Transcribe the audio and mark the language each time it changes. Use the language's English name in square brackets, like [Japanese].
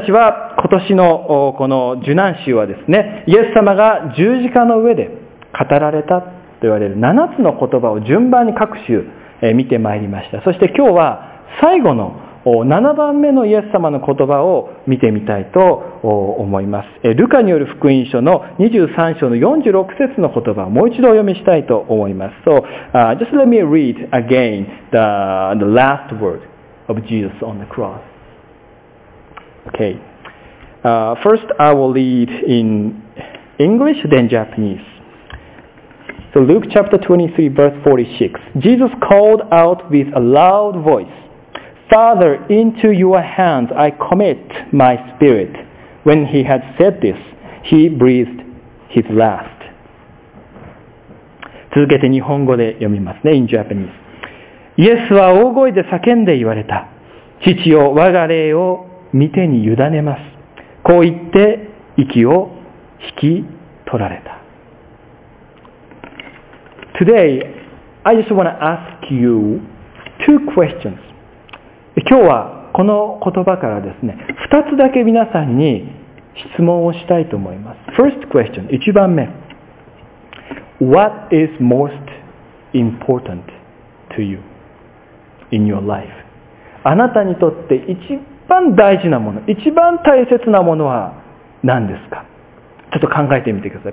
[Japanese] 私たちは今年のこの受難週はですね、イエス様が十字架の上で語られたと言われる7つの言葉を順番に各週見てまいりました。そして今日は最後の7番目のイエス様の言葉を見てみたいと思います。ルカによる福音書の23章の46節の言葉をもう一度お読みしたいと思います。 [English] So, just let me read again the last word of Jesus on the cross. Okay. First, I will read in English, then Japanese. So, Luke chapter 23, verse 46. Jesus called out with a loud voice. Father, into your hands I commit my spirit. When he had said this, he breathed his last. [Japanese] 続けて日本語で読みますね。 [English] In Japanese. [Japanese] イエスは大声で叫んで言われた。父よ、我が霊を御手に委ねます。こう言って息を引き取られた。 [English] Today, I just want to ask you two questions. [Japanese] 今日はこの言葉からですね、二つだけ皆さんに質問をしたいと思います。 [English] First question, [Japanese] 一番目。 [English] What is most important to you in your life? [Japanese] あなたにとって一番大事なもの、一番大切なものは何ですか? ちょっと考えてみてください。